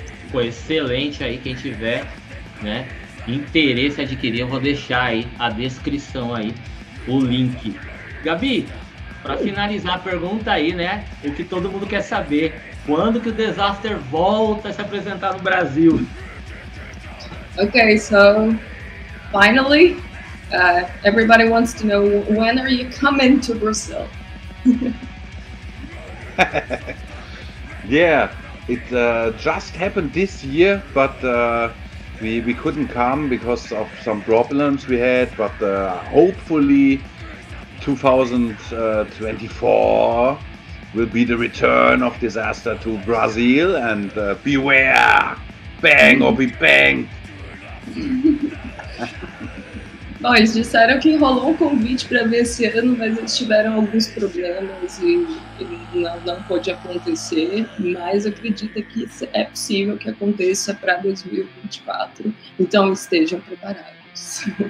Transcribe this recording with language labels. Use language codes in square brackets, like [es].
[pt] Foi excelente aí, quem tiver, né, interesse adquirir, eu vou deixar aí a descrição aí, o link. Gabi, pra finalizar a pergunta aí, né, o que todo mundo quer saber, quando que o Desaster volta a se apresentar no Brasil? [en] Ok, so, finally, everybody wants to know, when are you coming to Brazil? Yeah, it just happened this year, but We couldn't come because of some problems we had, but hopefully 2024 will be the return of Desaster to Brazil, and beware, bang or be banged. [pt] Bom, eles disseram que rolou um convite para vir esse ano, mas eles tiveram alguns problemas e não pôde acontecer. Mas acredita que é possível que aconteça para 2024. Então estejam preparados.